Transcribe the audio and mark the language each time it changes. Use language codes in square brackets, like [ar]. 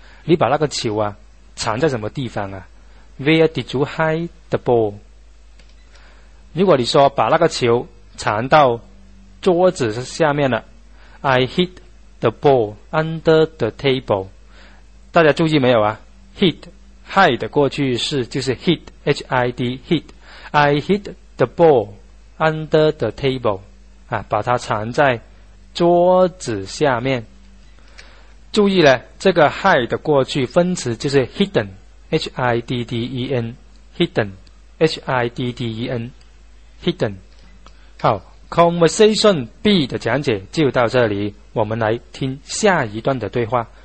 [zh] 你把那个球啊藏在什么地方啊 ？ [en] Where did you hide the ball？ [zh] 如果你说把那个球藏到桌子下面了 ， [en] I hid the ball under the table。 [zh] 大家注意没有啊 ？Hid。 [en] Hide [zh] 过去式就是 [en] hit, H-I-D, hit. I hit the ball under the table.、 [zh] 把它藏在桌子下面。注意了，这个 [en] hide [zh] 的过去分词就是 [en] hidden, H-I-D-D-E-N, hidden, H-I-D-D-E-N, hidden. [zh] 好 ,Conversation B 的讲解就到这里，我们来听下一段的对话。